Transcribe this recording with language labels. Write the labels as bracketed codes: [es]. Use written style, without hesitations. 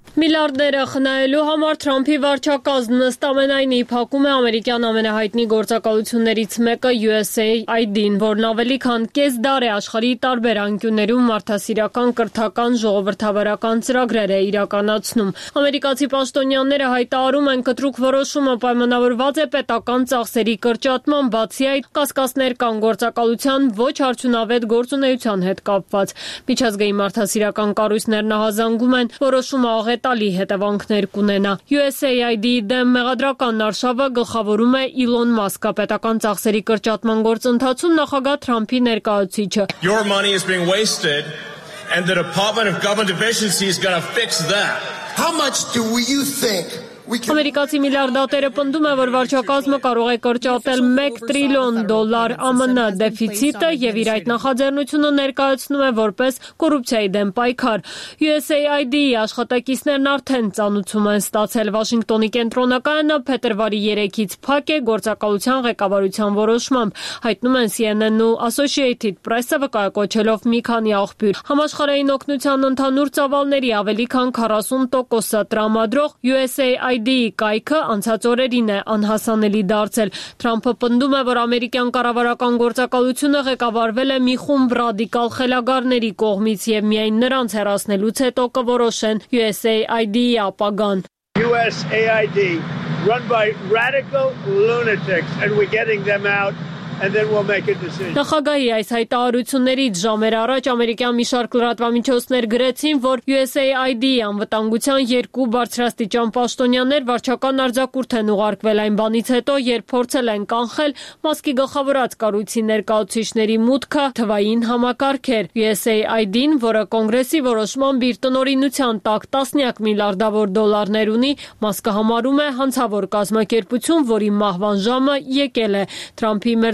[hy] Միլիարդները խնայելու համար Թրամփի վարչակազմն ըստ ամենայնի փակում է ամերիկյան ամենահայտնի գործակալություններից մեկը USAID-ին, որն ավելի քան կես դար է աշխարհի տարբեր անկյուններում մարդասիրական կրթական ժողովրդավարական ծրագրեր է իրականացնում։ Ամերիկացի պաշտոնյաները հայտարարում են, կտրուկ որոշումը պայմանավորված է պետական ծախսերի կրճատման, բացի այդ, կասկածներ կան գործակալության ոչ արդյունավետ գործունեության հետ կապված։ Միջազգային մարդասիրական կառույցներն ահազանգում են, որոշումը հետալի հետևանքներ կունենա։ USAID-ի դեմ մեղադրական արշավը գլխավորում է Իլոն Մասկը, պետական ծախսերի կրճատման գործընթացում նախագահ Թրամփի ներկայացուցիչը։ [en] Your money is being wasted and the Department of Government Efficiency is going to fix that. How much do you think? [hy] Ամերիկացի միլիարդատերը պնդում է, որ վարչակազմը կարող է կրճատել 1 տրիլիոն դոլար ԱՄՆ դեֆիցիտը եւ իր այդ նախաձեռնությունը ներկայացնում է որպես կոռուպցիայի դեմ պայքար։ USAID-ի աշխատակիցներն արդեն ծանուցում են ստացել Վաշինգտոնի կենտրոնականը փետրվարի 3-ից փակ է գործակալության ղեկավարության որոշմամբ, հայտնում են CNN-ն ու Associated Press-ը, վկայակոչելով մի քանի աղբյուր։ Համաշխարհային օգնության ընդհանուր ծավալների ավելի քան 40%-ը տրամադրող USAID-ի կայքը անցած օրերին է անհասանելի դարձել։ Թրամփը պնդում է, որ ամերիկյան կառավարական գործակալությունը ղեկավարվել է մի խումբ ռադիկալ խելագարների կողմից եւ միայն նրանց հերացնելուց հետո կորոշեն USAID-ի ապագան։ [en] USAID run by radical lunatics and we're getting them out. And then we'll make a decision. [hy] Նախագահի այս հայտարարություններից ժամեր առաջ ամերիկյան մի շարք լրատվամիջոցներ գրեցին, որ USAID-ի անվտանգության 2 բարձրաստիճան պաշտոնյաներ վարչական արձակուրդ են ուղարկվել այն բանից հետո, երբ փորձել են կանխել Մասկի գլխավորած կառույցի ներկայացուցիչների մուտքը թվային համակարգեր։ USAID-ին, որը կոնգրեսի որոշմամբ իր տնօրինության տակ տասնյակ միլիարդավոր դոլարներ ունի, Մասկը համարում է հանցավոր կազմակերպություն, որի մահվան ժամը եկել է։ Թրամփի